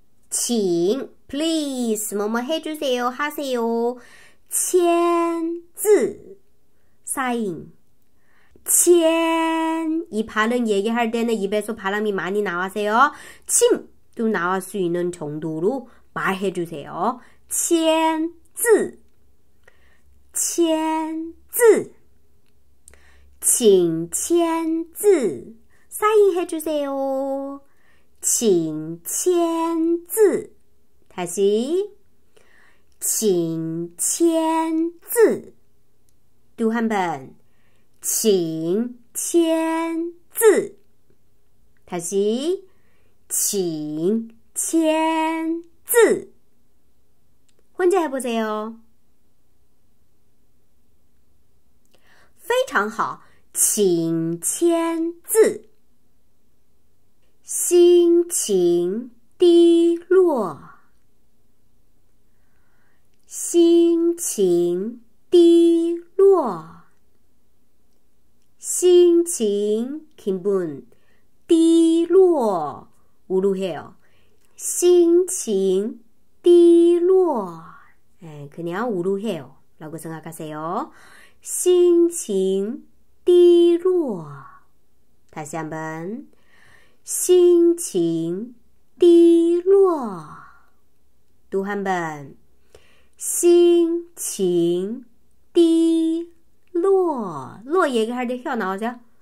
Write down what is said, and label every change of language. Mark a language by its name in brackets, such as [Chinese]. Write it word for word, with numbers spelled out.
[Korean] 请 please 뭐뭐 해주세요, 하세요. 签字 사인. 签, 이 발음 얘기할 때는 입에서 바람이 많이 나와서요. 침도 나올 수 있는 정도로 말해주세요. [Chinese] 签字 签字 请签字 [Korean] 사인해주세요. [Chinese] 请签字 [Korean] 다시 [Chinese] 请签字 [Korean] 또 한 번 [Chinese] 请签字 다시 请签字 [Korean] 혼자 해보세요. [Chinese] 非常好, 请签字 心情低落 心情低落 心情, [Korean] 기분, [Chinese] 低落 [Korean] 우울해요. [Chinese] 心情低落 [Korean] 그냥 우울해요 라고 생각하세요. [Chinese] 心情低落 [Korean] 다시 한번 [Chinese] 心情低落 [Korean] 또 한번 [Chinese] 心情低落 落 [Korean] 얘기할 때 혀 나오죠?